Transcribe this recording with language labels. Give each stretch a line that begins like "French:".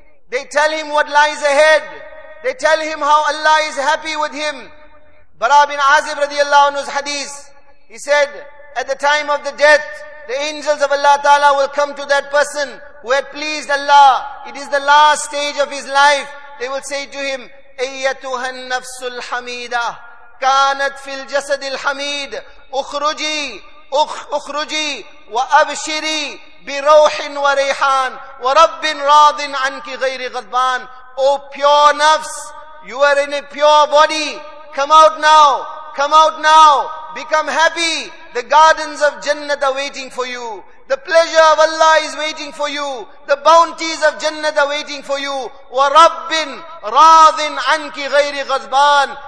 English: They tell him what lies ahead. They tell him how Allah is happy with him. Bara bin Azib radiallahu anhu's hadith, he said, at the time of the death, the angels of Allah Ta'ala will come to that person who had pleased Allah. It is the last stage of his life. They will say to him,
Arabic: أَيَّتُهَا النَّفْسُ الْحَمِيدَةِ كَانَتْ فِي الْجَسَدِ الْحَمِيدِ أُخْرُجِي أُخْرُجِي وَأَبْشِرِي بِرَوْحٍ وَرَيْحَانٍ وَرَبٍ رَاضٍ عَنْكِ غَيْرِ غَضْبَانٍ.
English: O pure nafs, you are in a pure body. Come out now. Come out now. Become happy. The gardens of Jannah are waiting for you. The pleasure of Allah is waiting for you. The bounties of Jannah are waiting for you.
Arabic: وَرَبِّنْ رَاضٍ عَنْكِ غَيْرِ غَضْبَانٍ.